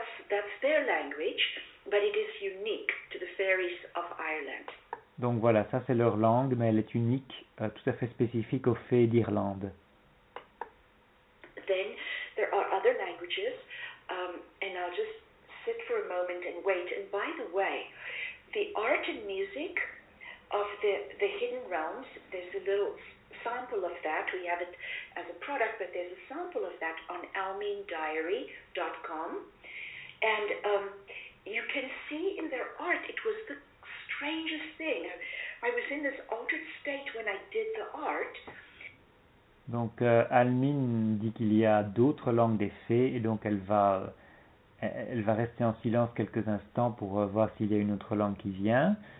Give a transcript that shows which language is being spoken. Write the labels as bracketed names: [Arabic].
[English] that's their language, but it is unique to the fairies of Ireland. [French] Donc voilà, ça c'est leur langue, mais elle est unique, tout à fait spécifique aux fées d'Irlande. [English] Then there are other languages, and I'll just sit for a moment and wait. And by the way, the art and music of the hidden realms, there's a little sample of that. We have it as a product, but there's a sample of that on almeendiary.com. And you can see in their art, it was the strangest thing. I was in this altered state when I did the art. [French] Donc Almin dit qu'il y a d'autres langues des fées et donc elle va rester en silence quelques instants pour voir s'il y a une autre langue qui vient.